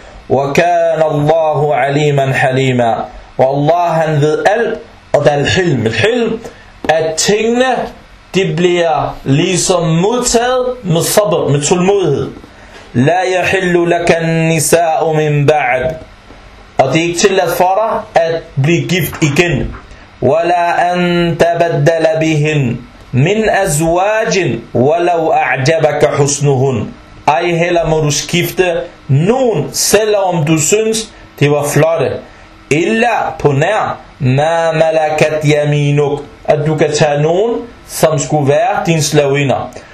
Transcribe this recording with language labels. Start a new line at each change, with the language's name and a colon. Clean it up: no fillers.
Arabic: وَكَانَ اللَّهُ عَلِيمًا حَلِيمًا.
Danish: Og Allah, han ved alt, og der er al-hilm. Al-hilm, at tingene, de bliver ligesom modtaget med sabr, med tålmodighed.
Arabic: لا يحل لك النساء من بعد.
Danish: Og det er ikke tilladt for dig at blive gift igen.
Arabic: ولا أن تبدل بهن من أزواج ولو أعجبك حسنهن.
Danish: Ej heller må du skifte nogen, selvom du synes det var flotte. إلا på nær
Arabic: ما ملكت يمينك.
Danish: At du kan tage nogen, som skulle være din slavinder.